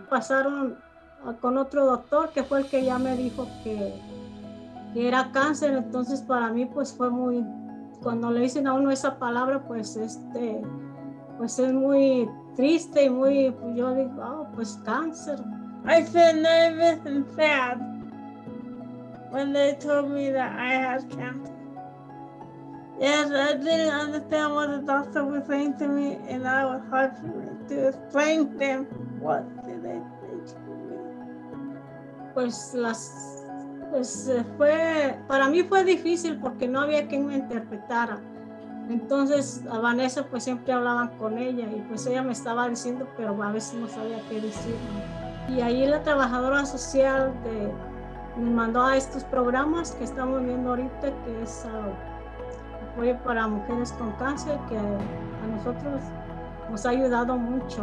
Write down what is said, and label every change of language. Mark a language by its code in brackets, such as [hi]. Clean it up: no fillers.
[es] Pasaron con otro doctor que fue el que ya me dijo que era cáncer, entonces para mí pues fue muy, cuando le dicen a uno esa palabra, pues pues es muy triste y muy, pues yo digo, oh, pues cáncer. [en] I feel nervous and sad when they told me that I had cancer. Yes, I didn't understand what the doctor was saying to me, and I was hard for me to explain to them what did they say to me. [es] Pues fue, para mí fue difícil porque no había quien me interpretara. Entonces a Vanessa pues siempre hablaban con ella y pues ella me estaba diciendo, pero a veces no sabía qué decirme. Y ahí la trabajadora social me mandó a estos programas que estamos viendo ahorita, que es apoyo para mujeres con cáncer, que a nosotros nos ha ayudado mucho.